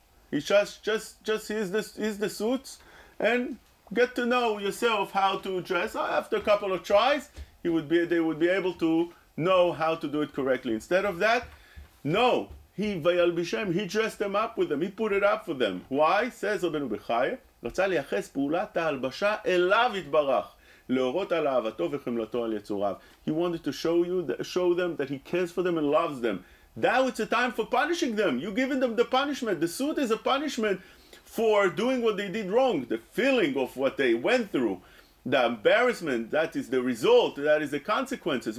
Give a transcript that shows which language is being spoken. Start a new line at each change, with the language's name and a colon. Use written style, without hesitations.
English: He just here's the suits and get to know yourself how to dress. After a couple of tries, they would be able to know how to do it correctly. Instead of that, no, he dressed them up with them. He put it up for them. Why? Says Rabbeinu Bechaya,
Hebrew: רצה לייחס פעולת ההלבשה אליו יתברך, להורות על אהבתו וחמלתו על יצוריו.
English: He wanted to show them that he cares for them and loves them. Now it's a time for punishing them. You're giving them the punishment. The suit is a punishment for doing what they did wrong, the feeling of what they went through. The embarrassment, that is the result, that is the consequences.